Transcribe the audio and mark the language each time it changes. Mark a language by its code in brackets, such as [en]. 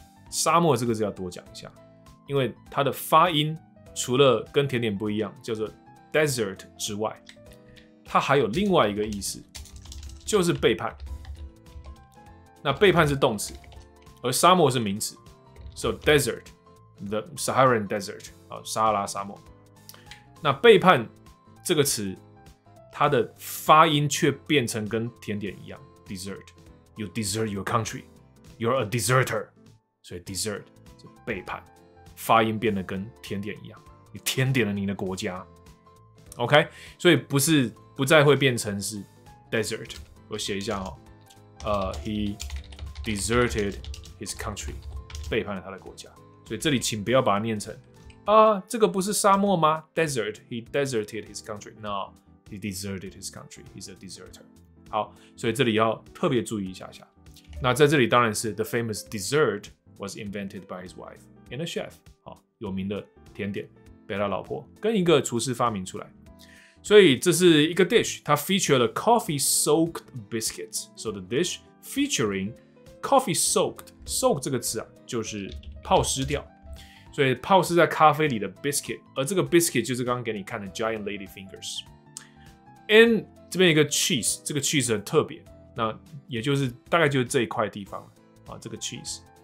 [zh] 沙漠这个字要多讲一下，因为它的发音除了跟甜点不一样，叫做 desert 之外，它还有另外一个意思，就是背叛。那背叛是动词，而沙漠是名词。 [en] So desert， the Saharan desert， [zh] 撒哈拉沙漠。那背叛这个词，它的发音却变成跟甜点一样 ，dessert。 [en] You desert your country, you're a deserter。 [zh] 所以 desert 就背叛，发音变得跟甜点一样，你甜点了你的国家。 OK， 所以不再会变成是 desert。我写一下哦， [en] he deserted his country， [zh] 背叛了他的国家。所以这里请不要把它念成。这个不是沙漠吗 ？Desert. [en] He deserted his country. No, he deserted his country. He's a deserter. [zh] 好，所以这里要特别注意一下下。那在这里当然是 [en] the famous dessert was invented by his wife and a chef. [zh] 好，有名的甜点被他老婆跟一个厨师发明出来。所以这是一个 dish. [en] 它 featured coffee-soaked biscuits. So the dish featuring coffee-soaked. [zh] Soak 这个词啊，就是泡湿掉。所以泡湿在咖啡里的 biscuit， 而这个 biscuit 就是刚刚给你看的 giant lady fingers。 And 这边一个 cheese， 这个 cheese 很特别，那也就是大概就是这一块地方啊，这个 cheese。